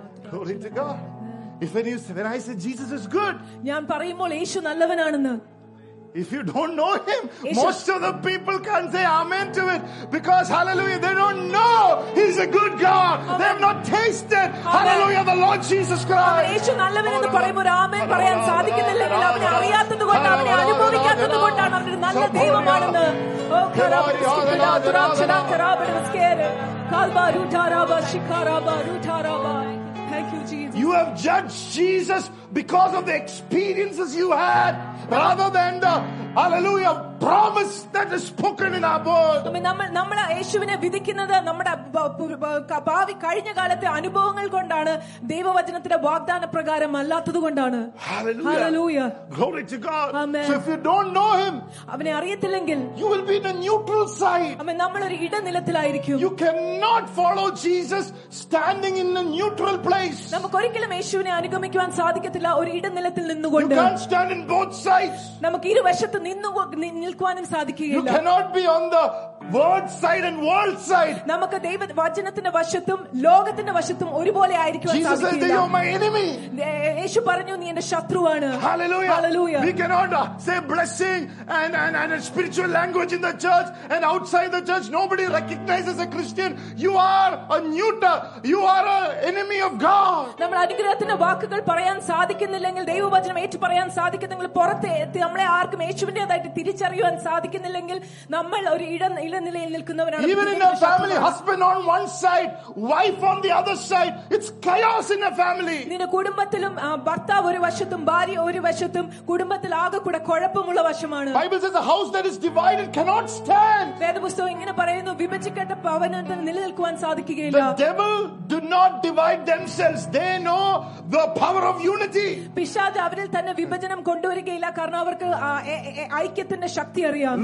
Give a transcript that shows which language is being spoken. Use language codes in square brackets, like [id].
[en] Glory to God. If when I say Jesus is good, [ml] ഞാൻ പറയുമ്പോൾ യേശു നല്ലവനാണെന്ന്. [en] If you don't know him, most of the people can't say amen to it, because hallelujah, they don't know he's a good God. They have not tasted hallelujah the Lord. Lord Jesus Christ. [ml] യേശു നല്ലവൻ എന്ന് പറയുമ്പോൾ ഒരു ആമേൻ പറയാൻ സാധിക്കുന്നില്ലെങ്കിൽ അവനെ അറിയാത്തതുകൊണ്ട് അവനെ അനുഭവിക്കാത്തതുകൊണ്ടാണ് അവനൊരു നല്ല ദൈവമാണെന്ന്. [en] Thank you, Jesus. You have judged Jesus because of the experiences you had rather than the hallelujah promise that is spoken in our word. [ml] നമ്മള് യേശുവിനെ വിധിക്കുന്നത് നമ്മുടെ ഭാവി കഴിഞ്ഞ കാലത്തെ അനുഭവങ്ങൾ കൊണ്ടാണ്, ദൈവവചനത്തിന്റെ വാഗ്ദാന പ്രകാരം അല്ലാത്തതുകൊണ്ടാണ്. [en] Hallelujah. Glory to God. Amen. So if you don't know him, [ml] അവനെ അറിയത്തില്ലെങ്കിൽ [en] you will be in a neutral side. [ml] അമേ, നമ്മൾ ഒരു ഇടനിലത്തിലായിരിക്കും. [en] You cannot follow Jesus standing in a neutral place. [ml] നമുക്ക് ഒരിക്കലും യേശുവിനെ അനുഗമിക്കാൻ സാധിക്കത്തില്ല ഒരു ഇടനിലത്തിൽ നിന്നുകൊണ്ട്. [en] You can't stand in both sides. [ml] നമുക്ക് ഇരുവശത്ത് നിൽക്കുവാനും സാധിക്കുകയില്ല. [en] You cannot be on the word side and world side. [ml] നമുക്ക് ദൈവ വചനത്തിന്റെ വശത്തും ലോകത്തിന്റെ വശത്തും ഒരുപോലെ ആയിരിക്കുവാൻ സാധിക്കില്ല. [en] Jesus said, you are my enemy. [ml] യേശു പറഞ്ഞു, നീ എന്റെ ശത്രുവാണ്. Hallelujah. Hallelujah. [en] We cannot say blessing and a spiritual language in the church and outside the church nobody recognizes a Christian. You are a neuter. You are a enemy of God. [ml] നമ്മൾ അനുഗ്രഹത്തിന്റെ വാക്കുകൾ പറയാൻ സാധിക്കുന്നില്ലെങ്കിൽ, ദൈവവചനം ഏറ്റു പറയാൻ സാധിക്കുന്നെങ്കിൽ, പുറത്തെ നമ്മളെ ആർക്കും യേശുവിന്റേതായിട്ട് തിരിച്ചറിയുവാൻ സാധിക്കുന്നില്ലെങ്കിൽ, നമ്മൾ ഒരു ഇടനിലയിൽ നിൽക്കുന്നവരാണ്. [en] Even in a family, husband on one side, wife on the other side, it's chaos in a family. [ml] നിന്റെ കുടുംബത്തിലും ഭർത്താവ് ഒരു വശത്തും ഭാര്യ ഒരു വശത്തും കുടുംബത്തിൽ ആകെ കൂടെ കുഴപ്പമുള്ള വശമാണ്. [en] Bible says a house that is divided cannot stand. [ml] വേദപുസ്തകം ഇങ്ങനെ പറയുന്നു, വിഭജിക്കപ്പെട്ട ഭവനത്തിന് നിലനിൽക്കുവാൻ സാധിക്കുകയില്ല. [en] The devil do not divide themselves. They know the power of unity. [ml] പിശാച് അവരിൽ തന്നെ വിഭജനം കൊണ്ടുവരികയില്ല, കാരണം അവർക്ക് ഐക്യത്തിന്റെ ശക്തി അറിയാം.